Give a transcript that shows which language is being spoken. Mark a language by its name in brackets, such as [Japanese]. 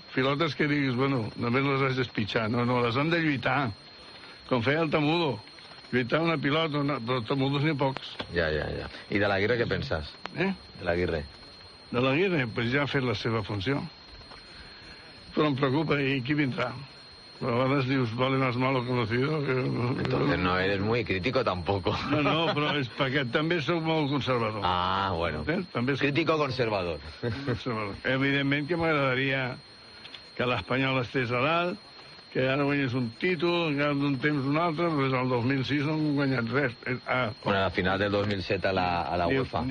[Catalan] Pilotes que diguis, bueno, només les has despitxat. No, les han de lluitar. Com feia el Tamudo. Lluitar una pilota, però Tamudos n'hi ha pocs. Ja. I de l'Aguirre, què penses? Eh? De l'Aguirre. De l'Aguirre, doncs ja ha fet la seva funció. Però em preocupa, i qui vindrà? A vegades dius, [Spanish] vale más malo conocido que... Entonces no eres muy crítico tampoco. [Catalan] No, no, però és perquè també soc molt conservador. Ah, bueno. També soc... Crítico conservador. Conservador. Evidentment que m'agradaria que l'Espanyol estigués a dalt, que ara guanyés un títol, encara d'un temps un altre, però des del 2006 no hem guanyat res. Ah, bueno, a final del 2007 a la UEFA.